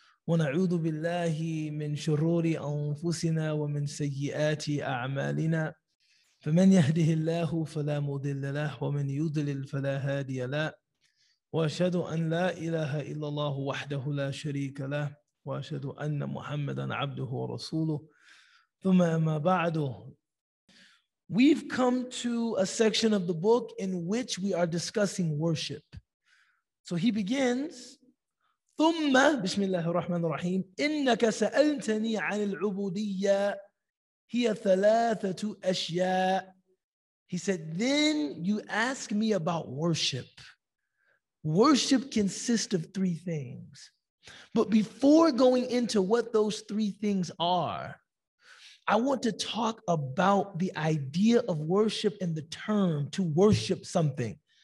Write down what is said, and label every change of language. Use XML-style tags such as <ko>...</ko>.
<ar>ونعوذ بالله من شرور أنفسنا ومن سيئات أعمالنا فمن يهده الله فلا مضل له ومن يضلل فلا هادي له وأشهد أن لا إله إلا الله وحده لا شريك له وأشهد أن محمدا عبده ورسوله ثم أما بعد.</ar> <en>We've come to a section of the book in which we are discussing worship. So he begins,</en> <ar>ثم بسم الله الرحمن الرحيم إنك سألتني عن العبودية هي ثلاثة أشياء.</ar> <en>He said, then you ask me about worship. Worship consists of three things. But before going into what those three things are, I want to talk about the idea of worship and the term to worship something.</en>